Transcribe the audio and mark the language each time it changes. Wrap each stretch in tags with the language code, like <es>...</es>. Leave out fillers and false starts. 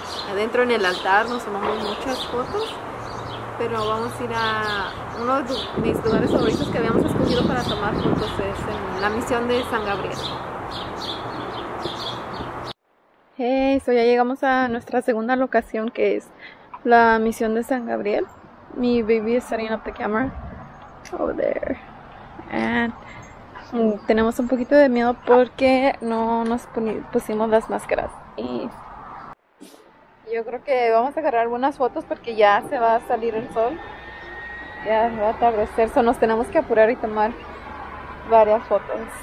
<es>Adentro en el altar nos tomamos muchas fotos. Pero vamos a ir a uno de mis lugares favoritos que habíamos escogido para tomar fotos, es en la misión de San Gabriel.</es> <en>Hey, so</en> <es>ya llegamos a nuestra segunda locación, que es la misión de San Gabriel. Mi</es> <en>baby is setting up the camera over there. And</en> <es>tenemos un poquito de miedo porque no nos pusimos las máscaras. Y yo creo que vamos a agarrar algunas fotos porque ya se va a salir el sol. Ya se va a atardecer,</es> <en>so</en> <es>nos tenemos que apurar y tomar varias fotos.</es>